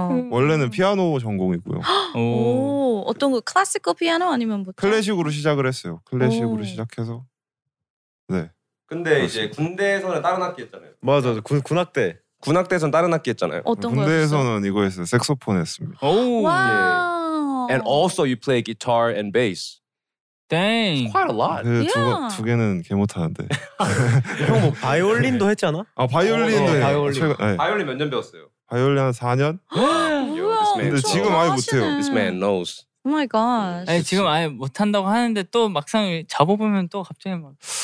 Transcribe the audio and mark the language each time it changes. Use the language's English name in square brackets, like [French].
[Korean] 원래는 피아노 전공이고요. 오~ 어떤 거 클래식 피아노 아니면 뭐? 클래식으로 시작을 했어요. 클래식으로 시작해서 네. 근데 맞아. 이제 군대에서는 다른 악기 했잖아요. 맞아, 군악대. 군악대에서는 다른 악기 했잖아요. 어떤 거요? 군대에서는 이거 했어요. 색소폰 했습니다. 오~ 와~ [English] And also you play guitar and bass. Dang. Quite a lot. [Korean] 그 두 개는 개 못하는데. 형 뭐 바이올린도 했잖아? 아 바이올린도 해요. 바이올린. 최근, 네. 바이올린 몇 년 배웠어요? 바이올린 한 4년? 근데 지금 아예 못해요. [English] This man knows. Oh my gosh. [Korean] 아니, 지금 아예 못한다고 하는데 또 막상 잡아보면 또 갑자기 막.